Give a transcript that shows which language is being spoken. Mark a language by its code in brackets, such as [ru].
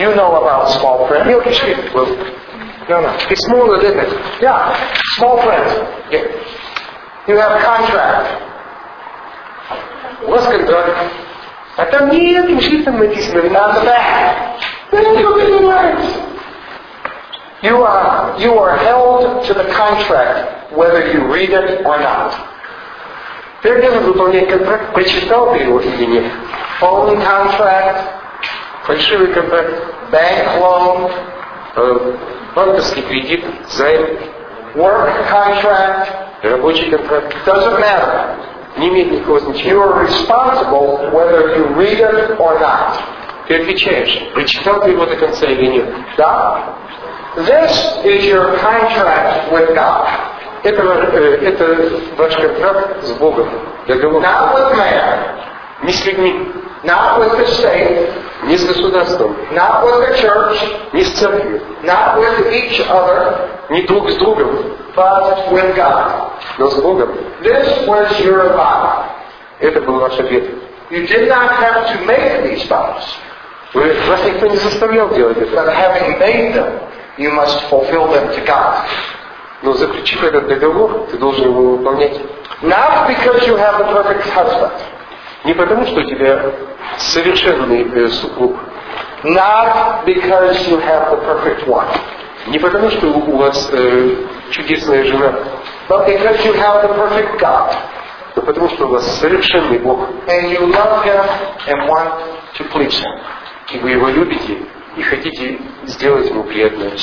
[en] You know about small print. [ru] Мелкий был. [en] No, no. It's more than limit. Yeah. Small print. Yeah. You have a contract. What's contract? [ru] А там нет, мешки там написано. [en] Not the back. You are held to the contract whether you read it or not. [ru] Ты должен выполнять контракт, прочитал ты его или нет. [en] Phone contract. [ru] Фальшивый контракт. [en] Bank loan. [ru] Банковский кредит, займ. [en] Work contract. [ru] Рабочий контракт. [en] Doesn't matter. [ru] Не имеет никакого значения. [en] You are responsible whether you read it or not. [ru] Ты отвечаешь, прочитал ты его до конца или нет. Да. [en] This is your contract with God. [ru] Это ваш контракт с Богом. Договор. [en] Not with man. [ru] Не с людьми. [en] Not with the state. [ru] Не с государством. [en] Not with the church. [ru] Не с церковью. [en] Not with each other. [ru] Не друг с другом. [en] But with God. [ru] Но с Богом. [en] This was your vow. [ru] Это был ваш обет. [en] You did not have to make these vows. [ru] Вы вас никто не заставлял делать это. [en] But having made them, you must fulfill them to God. [ru] Но заключив этот договор, ты должен его выполнять. [en] Not because you have a perfect husband. [ru] Не потому, что у тебя совершенный супруг. [en] Not because you have the perfect wife. [ru] Не потому, что у вас чудесная жена. [en] But because you have the perfect God. [ru] Но потому, что у вас совершенный Бог. [en] And you love him and want to please him. [ru] И вы его любите и хотите сделать ему приятное.